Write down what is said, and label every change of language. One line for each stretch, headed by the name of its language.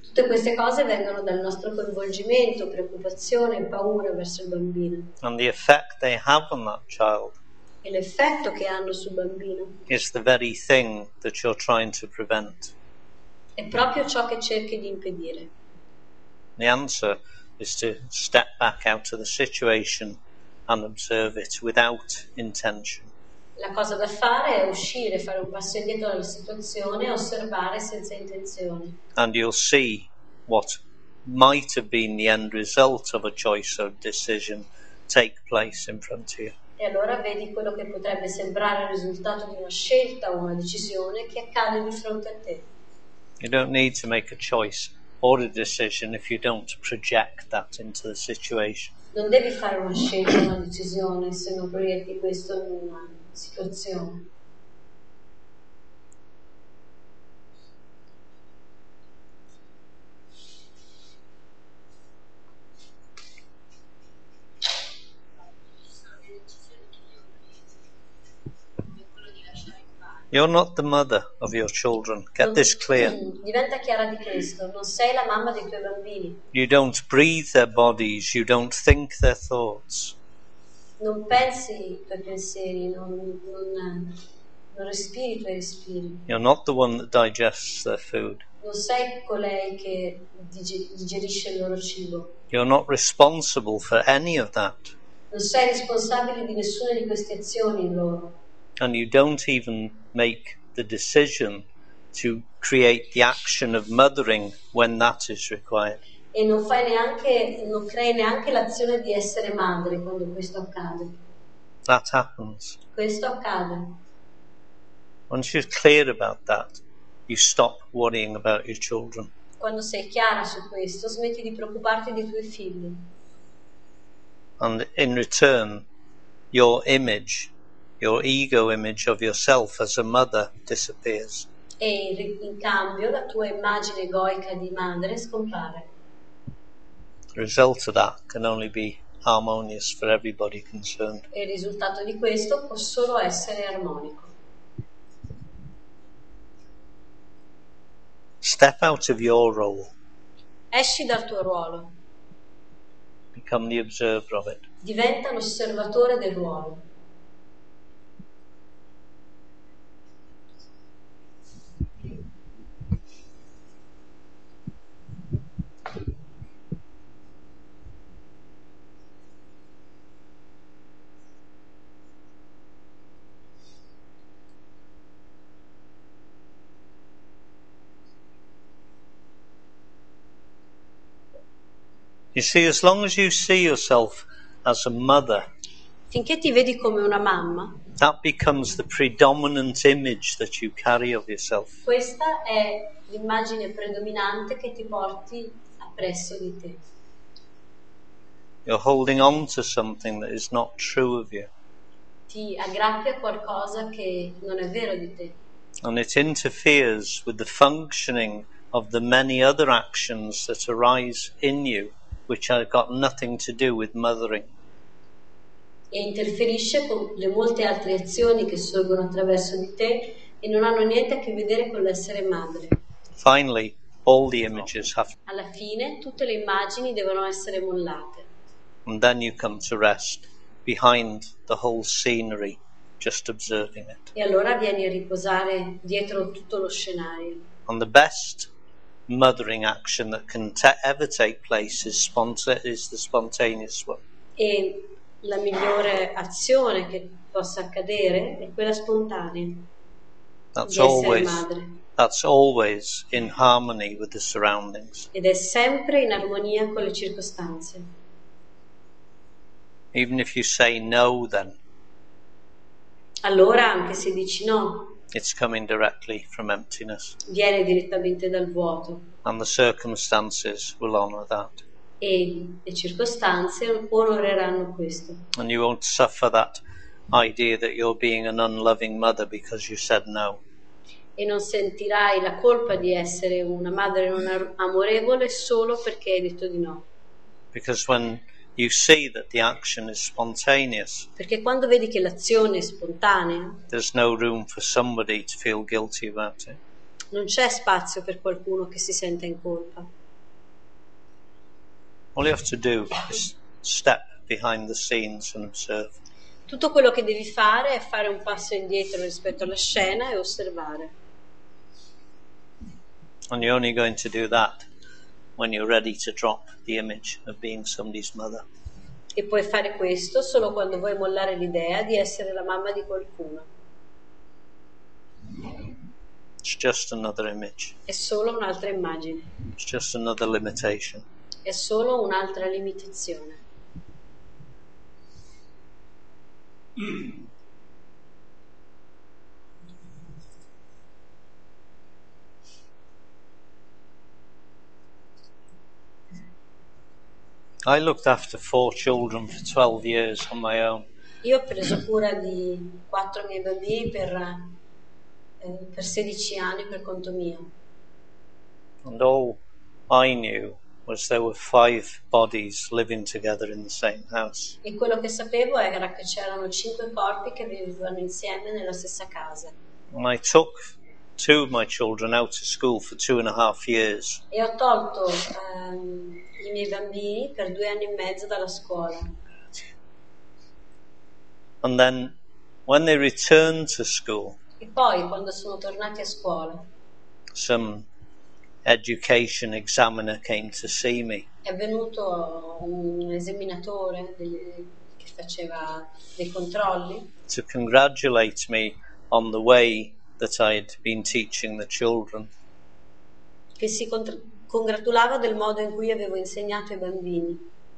Italian: Tutte queste cose vengono dal nostro coinvolgimento, preoccupazione e paura verso il bambino.
English: And the effect they have on that child.
Italian: E l'effetto che hanno sul bambino.
English: Is the very thing that you're trying to prevent.
Italian: È proprio ciò che cerchi di impedire.
English: The answer is to step back out of the situation and observe it without intention.
Italian: La cosa da fare è uscire, fare un passo indietro dalla situazione, osservare senza intenzione.
English: And you'll see what might have been the end result of a choice or decision take place in front of you.
Italian: E allora vedi quello che potrebbe sembrare il risultato di una scelta o una decisione che accade di fronte a te.
English: You don't need to make a choice or a decision if you don't project that into the situation.
Italian: Non devi fare una scelta, una decisione, se non proietti questo in una situazione.
English: You're not the mother of your children. Get this clear.
Italian: Diventa chiara di questo. Non sei la mamma dei tuoi bambini.
English: You don't breathe their bodies. You don't think their thoughts.
Italian: Non pensi i tuoi pensieri. Non respiri i tuoi respiri.
English: You're not the one that digests their food.
Italian: Non sei colei che digerisce il loro cibo.
English: You're not responsible for any of that.
Italian: Non sei responsabile di nessuna di queste azioni loro.
English: And you don't even make the decision to create the action of mothering when that is required.
Italian: e non fai neanche, non crei neanche l'azione di essere madre quando questo accade.
English: That happens.
Italian: Questo accade.
English: Once you're clear about that, you stop worrying about your children.
Italian: Quando sei chiara su questo, smetti di preoccuparti dei tuoi figli.
English: And in return, your image, your ego image of yourself as a mother disappears.
Italian: E in cambio la tua immagine egoica di madre scompare.
English: The result of that can only be harmonious for everybody concerned.
Italian: E il risultato di questo può solo essere armonico.
English: Step out of your role.
Italian: Esci dal tuo ruolo.
English: Become the observer of it.
Italian: Diventa l'osservatore del ruolo.
English: You see, as long as you see yourself as a mother,
Italian: Finché ti vedi come una mamma,
English: that becomes the predominant image that you carry of yourself.
Italian: questa è l'immagine predominante che ti porti appresso di te.
English: You're holding on to something that is not true of you.
Italian: Ti aggrappi a qualcosa che non è vero di te.
English: And it interferes with the functioning of the many other actions that arise in you. Which I've got nothing to do with mothering.
Italian: E interferisce con le molte altre azioni che sorgono attraverso di te e non hanno niente a che vedere con l'essere madre.
English: Finally, all the images have.
Italian: Alla fine, tutte le immagini devono essere mollate.
English: And then you come to rest behind the whole scenery, just observing it.
Italian: E allora vieni a riposare dietro tutto lo scenario.
English: And the best. Mothering action that can ever take place is the spontaneous one.
Italian: E la migliore azione che possa accadere è quella spontanea di
English: That's
Italian: essere
English: always
Italian: madre.
English: in harmony with the surroundings.
Italian: Ed è sempre in armonia con le circostanze.
English: Even if you say no, then
Italian: Allora, anche se dici no,
English: it's coming directly from emptiness.
Italian: viene direttamente dal vuoto.
English: And the circumstances will honor that.
Italian: E le circostanze onoreranno questo.
English: And you won't suffer that idea that you're being an unloving mother because you said no.
Italian: E non sentirai la colpa di essere una madre non amorevole solo perché hai detto di no.
English: Because when you see that the action is spontaneous,
Italian: Perché quando vedi che l'azione è spontanea,
English: there's no room for somebody to feel guilty about it.
Italian: non c'è spazio per qualcuno che si senta in colpa.
English: All you have to do is step behind the scenes and observe.
Italian: Tutto quello che devi fare è fare un passo indietro rispetto alla scena e osservare.
English: And you're only going to do that when you're ready to drop the image of being somebody's mother.
Italian: E puoi fare questo solo quando vuoi mollare l'idea di essere la mamma di qualcuno.
English: It's just another image.
Italian: È solo un'altra immagine.
English: It's just another limitation.
Italian: È solo un'altra limitazione.
English: I looked after four children for 12 years on my own.
Italian: Io ho preso cura di quattro miei bambini per 16 anni per conto mio.
English: And all I knew was there were five bodies living together in the same house.
Italian: E quello che sapevo era che c'erano cinque corpi che vivevano insieme nella stessa casa.
English: And I took two of my children out of school for 2.5 years.
Italian: E ho tolto i miei bambini per 2 anni e mezzo dalla scuola.
English: And then when they returned to school,
Italian: E poi, quando sono tornati a scuola,
English: some education examiner came to see me.
Italian: è venuto un esaminatore che faceva dei controlli
English: To congratulate me on the way that I had been teaching the children.
Italian: che si congratulava del modo in cui avevo insegnato ai bambini.